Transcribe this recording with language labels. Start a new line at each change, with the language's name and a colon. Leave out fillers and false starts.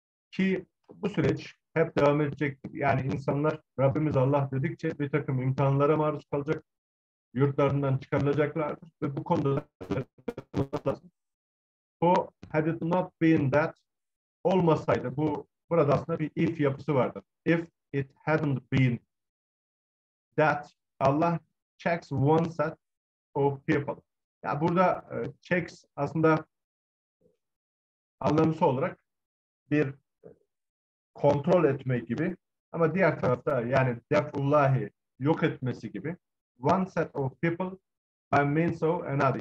Turkish: Ki bu süreç hep devam edecektir. Yani insanlar Rabbimiz Allah dedikçe bir takım imtihanlara maruz kalacak, yurtlarından çıkarılacaklardır. Ve bu konuda bu
English: had it not been that
Turkish: olmasaydı, bu burada aslında bir if yapısı vardır.
English: If it hadn't been that Allah checks one set of people.
Turkish: Ya burada checks aslında anlamsız olarak bir kontrol etmek gibi ama diğer tarafta yani defullahi yok etmesi gibi
English: one set of people by means of another.